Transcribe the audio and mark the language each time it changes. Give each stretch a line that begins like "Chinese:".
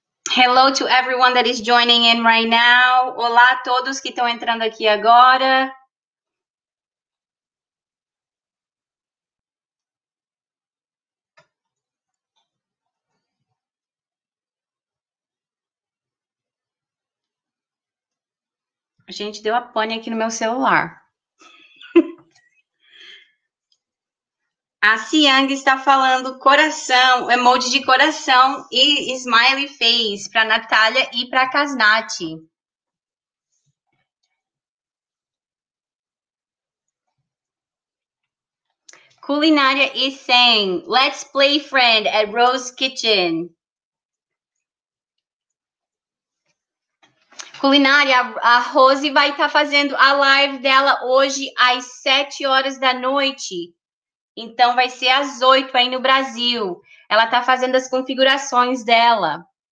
English: Hello to everyone that is joining in right now.
Portuguese: Olá a todos que estão entrando aqui agora. A gente deu a pane aqui no meu celular. A Siang está falando coração, emoji de coração e smiley face para a Natália e para a Kasnati.
English: Culinária is saying, let's play friend at Rose Kitchen.
Portuguese: Culinária, a Rose vai estar fazendo a live dela hoje às 7 horas da noite. Então, vai ser às 8 aí no Brasil. Ela está fazendo as configurações dela.